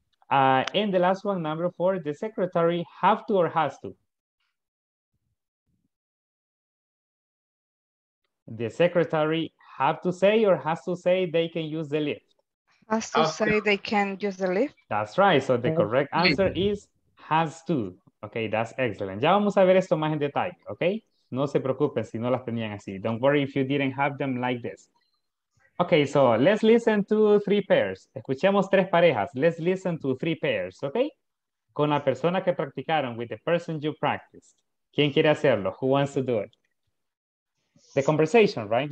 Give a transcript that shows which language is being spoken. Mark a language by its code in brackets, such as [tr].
[en] And the last one, number four, the secretary have to or has to? The secretary have to say or has to say they can use the lift? Has to say they can use the lift. That's right. So the correct answer is has to. Okay, that's excellent. [es] Ya vamos a ver esto más en detalle, okay? No se preocupen si no las tenían así. [en] Don't worry if you didn't have them like this. Okay, so let's listen to three pairs. [es] Escuchemos tres parejas. [en] Let's listen to three pairs, okay? [es] Con la persona que practicaron, [en] with the person you practiced. [es] ¿Quién quiere hacerlo? [en] Who wants to do it? The conversation, right?